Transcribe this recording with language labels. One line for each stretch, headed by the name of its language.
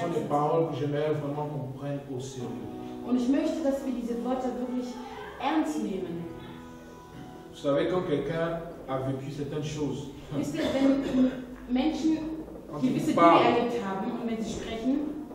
French: Ce sont des paroles que j'aimerais vraiment qu'on prenne au sérieux.
German: Und ich möchte, dass wir diese Wörter wirklich ernst nehmen.
French: Vous savez, quand quelqu'un a vécu certaines choses.
German: Wisst ihr, wenn Menschen gewisse Dinge erlebt haben und wenn sie sprechen,